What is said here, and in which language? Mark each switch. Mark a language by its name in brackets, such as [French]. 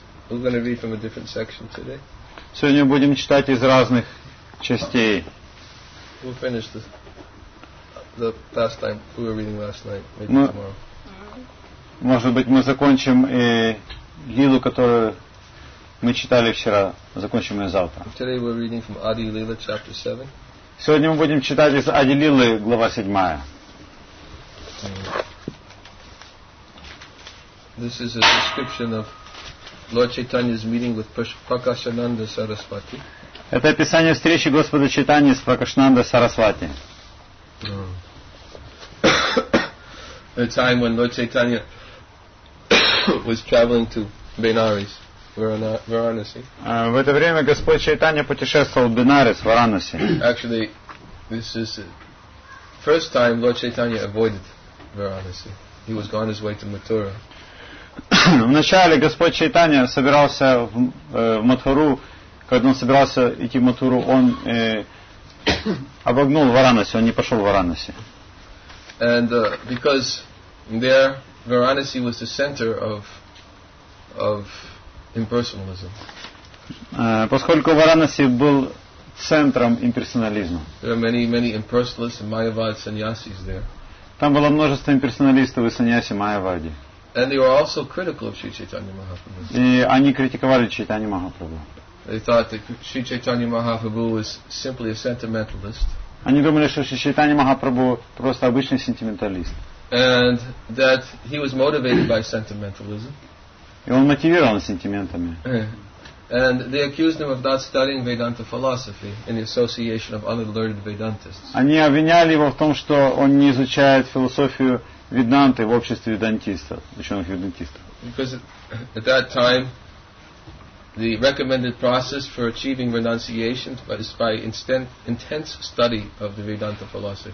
[English] We're going to read from a different section today. [Russian] Сегодня будем читать из разных частей. [English] We'll finish the last time we were reading last night, maybe no. Tomorrow. [Russian] Может быть, мы закончим и лилу, которую мы читали вчера, закончим ее завтра. [English] Today we're reading from Adi Lila, chapter 7. [Russian] Сегодня мы будем читать из Ади Лилы, глава 7. [English] This is a description of Lord Chaitanya's meeting with Prakashananda Sarasvati. [Russian] Это описание встречи Господа Чайтаньи с Пракашнанда Сарасвати. [English] The time when Lord Chaitanya was traveling to Benares, Varanasi. [Russian] В это время Господь Чайтанья путешествовал в Бенарес, Варанаси. [English] Actually, this is the first time Lord Chaitanya avoided Varanasi. He was on his way to Mathura. [Russian] Вначале Господь Чайтанья собирался в Матхуру, когда он собирался идти в Матхуру, он обогнул Варанаси, он не пошел в Варанаси. [English] And because there Varanasi was the center of impersonalism. [Russian] Поскольку Варанаси был центром имперсонализма. [English] There are many impersonalists and Mayavad sannyasis there. [Russian] Там было множество имперсоналистов и саньяси Майявади. [English] And they were also critical of Sri Chaitanya Mahaprabhu. [Russian] И они критиковали Чайтанью Махапрабху. [English] They thought that Sri Chaitanya Mahaprabhu was simply a sentimentalist. [Russian] Они думали, что Sri Chaitanya Mahaprabhu просто обычный сентименталист. [English] And that he was motivated by sentimentalism. [Russian] И он мотивирован сентиментами. [English] And they accused him of not studying Vedanta philosophy in the association of other learned Vedantists. [Russian] Они обвиняли его в том, что он не изучает философию Веданты в обществе ведантистов, ученых ведантистов. [English] Because at that time the recommended process for achieving renunciation is by intense study of the Vedanta philosophy.